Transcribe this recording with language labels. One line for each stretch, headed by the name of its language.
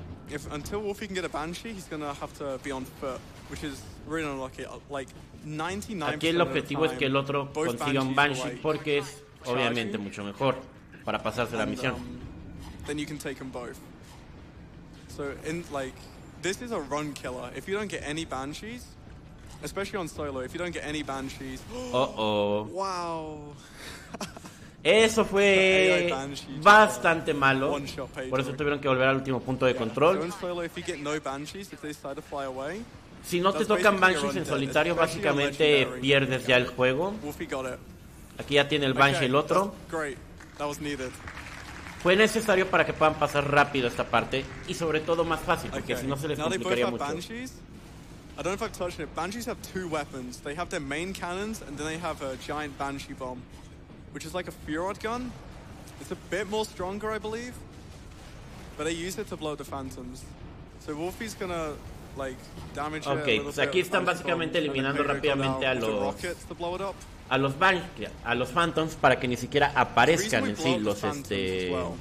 English: If until Wolfie can get a Banshee, he's going to have to be on foot, which is really unlucky. Like, 99%
Spanish: aquí el objetivo
English: of the time,
Spanish: es que el otro consiga un Banshee, like, porque es obviamente mucho mejor para pasarse la misión.
English: Then you can take them both. So, in like, this is a run killer. If you don't get any Banshees, especially on solo, if you don't get any Banshees. Uh-oh. Wow.
Spanish: Eso fue bastante malo. Por eso tuvieron que volver al último punto de control.
English: So in solo, if you get no Banshees, if they decide to fly away.
Spanish: Si no te tocan Banshees en solitario, básicamente pierdes ya el juego.
English: Wolfie got it.
Spanish: Aquí ya tiene el Banshee,
English: okay,
Spanish: el otro.
English: Great. That was needed.
Spanish: Fue necesario para que puedan pasar rápido esta parte y sobre todo más fácil, porque
English: okay,
Spanish: si no se les complicaría mucho.
English: Banshees. I don't know if I've touched it. Banshees have two weapons. They have their main cannons and then they have a giant Banshee bomb, which is like a Furod gun. It's a bit more stronger, I believe, but they use it to blow the phantoms. So Wolfie's gonna like damage.
Spanish: Okay, pues aquí están básicamente eliminando rápidamente a los Phantoms para que ni siquiera aparezcan en sí los este.